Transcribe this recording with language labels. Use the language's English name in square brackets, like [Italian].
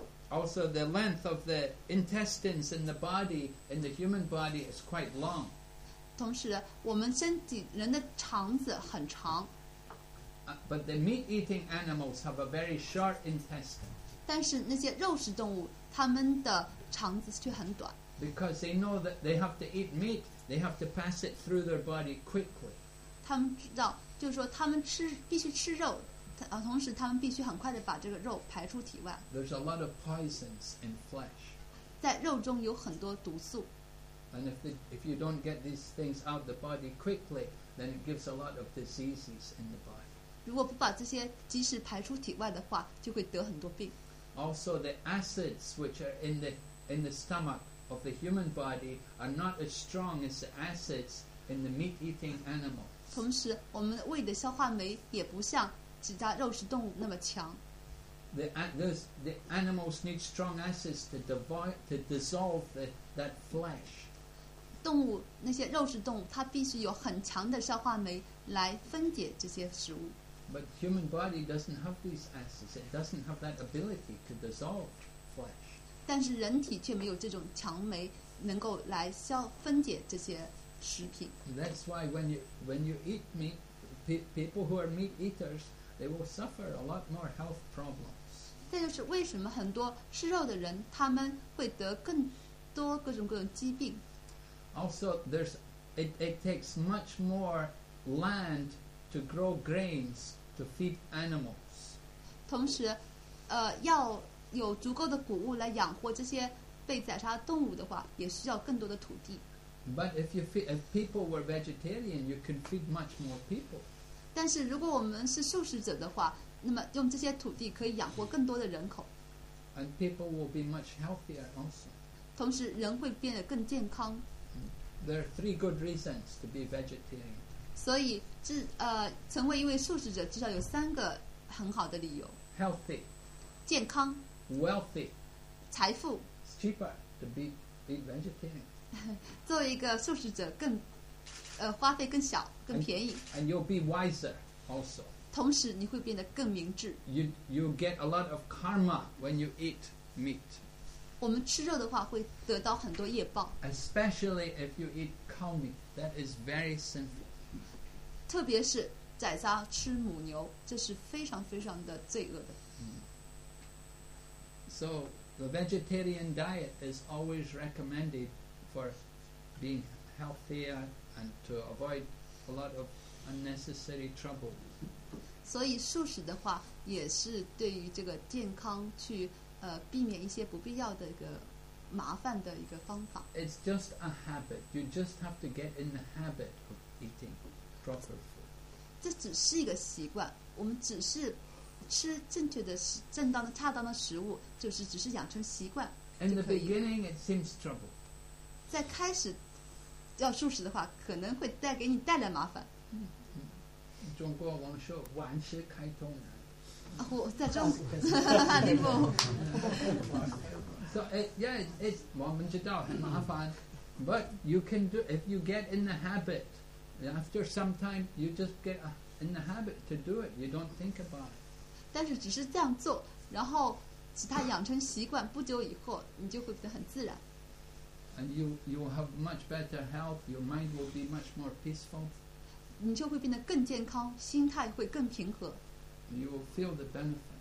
[English] Also, the length of the intestines in the body, in the human body, is quite long. [Chinese] 同时，我们身体人的肠子很长。 [English] But the meat-eating animals have a very short intestine. [Chinese] 但是那些肉食动物，它们的肠子却很短。 [English] Because they know that they have to eat meat, they have to pass it through their body quickly. [Chinese] 他们知道，就是说他们吃必须吃肉，同时他们必须很快的把这个肉排出体外。 [English] There's a lot of poisons in flesh. [Chinese] 在肉中有很多毒素。 [English] And if you don't get these things out of the body quickly, then it gives a lot of diseases in the body. [Chinese] 如果不把这些积食排出体外的话，就会得很多病。 [English] Also, the acids which are in the stomach of the human body are not as strong as the acids in the meat-eating animal. [Chinese] 同时，我们胃的消化酶也不像其他肉食动物那么强。 [English] The animals need strong acids to dissolve that flesh. [Chinese] 动物那些肉食动物，它必须有很强的消化酶来分解这些食物。 [English] But human body doesn't have these acids. It doesn't have that ability to dissolve flesh. [Chinese] 但是人体却没有这种强酶能够来消分解这些食品。 [English] That's why when you eat meat, people who are meat eaters, they will suffer a lot more health problems. [Chinese] 这就是为什么很多吃肉的人他们会得更多各种各种疾病。 [English] Also, it takes much more land. To grow grains to feed animals. [Chinese] 同时，要有足够的谷物来养活这些被宰杀动物的话，也需要更多的土地。 [English] But if people were vegetarian, you could feed much more people. [Chinese] 但是如果我们是素食者的话，那么用这些土地可以养活更多的人口。 [English] And people will be much healthier also. [Chinese] 同时，人会变得更健康。 [English] There are three good reasons to be vegetarian. [Chinese] 所以成为一位素食者至少有三个很好的理由 [English] healthy [Chinese] 健康 [English] wealthy [Chinese] 财富 [English] it's cheaper to be vegetarian [Chinese] 作为一个素食者更花费更小更便宜 [English] and you'll be wiser also [Chinese] 同时你会变得更明智 [English] you get a lot of karma when you eat meat [Chinese] 我们吃肉的话会得到很多业报 [English] especially if you eat cow meat that is very sinful [Chinese] 特别是宰杀吃母牛，这是非常非常的罪恶的。 [English] So the vegetarian diet is always recommended for being healthier and to avoid a lot of unnecessary trouble. [Chinese] 所以素食的话，也是对于这个健康去避免一些不必要的一个麻烦的一个方法。 [English] It's just a habit. You just have to get in the habit of eating. [Chinese] 这只是一个习惯我们只是吃正确的正当的恰当的食物就是只是养成习惯 [English] In the beginning it seems trouble [Chinese] 在开始要素食的话可能会带给你带来麻烦中国王说晚吃开通难我在中国你不 [English] so it [Chinese] 我们知道很麻烦 [English] but you can do if you get in the habitAfter some time, you just get in the habit to do it. You don't think about it. [Chinese] 但是只是这样做，然后其他养成习惯，不久以后你就会变得很自然。 [English] And you will have much better health. Your mind will be much more peaceful. [Chinese] 你就会变得更健康，心态会更平和。 [English] You will feel the benefit.